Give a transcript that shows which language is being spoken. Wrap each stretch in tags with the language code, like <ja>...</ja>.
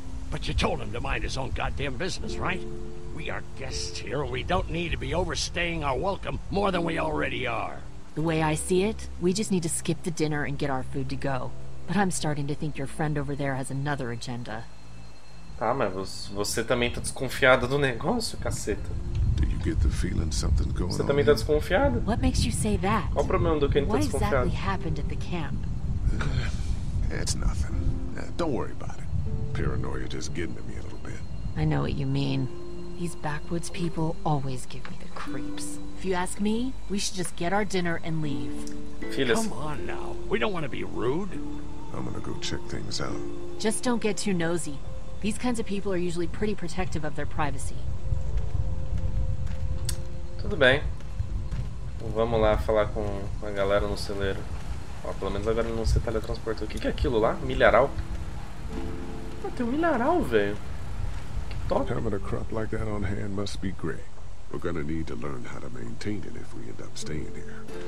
<en>But you told him to mind his own goddamn business, right? We are guests here. We don't need to be overstaying our welcome more than we already are. The way I see it, we just need to skip the dinner and get our food to go. But I'm starting to think your friend over there has another agenda.</en> <pt>Tá, mas você também tá desconfiada do negócio, caceta.</pt> <en>Did you get the feeling something going on?</en> <pt>Você também tá desconfiada?</pt> <en>What makes you say that?</en> <pt>Qual o problema do que ele tá desconfiado?</pt> <en>What exactly happened at the camp? It's nothing. Don't worry about it. Paranoia just getting to me a little bit. I know what you mean. These backwoods people always give me the creeps. If you ask me, we should just get our dinner and leave. Come on now. We don't want to be rude. I'm gonna go check things out. Just don't get too nosy. These kinds of people are usually pretty protective of their privacy.</en> <pt>Tudo bem. Vamos lá falar com a galera no celeiro. Ó, pelo menos agora não se teletransportou. O que é aquilo lá? Milharal? Ah, tem um milharal, velho.</pt> <en>Having a crop like that on hand must be great. We're gonna need to learn how to maintain it if we end up staying here.</en>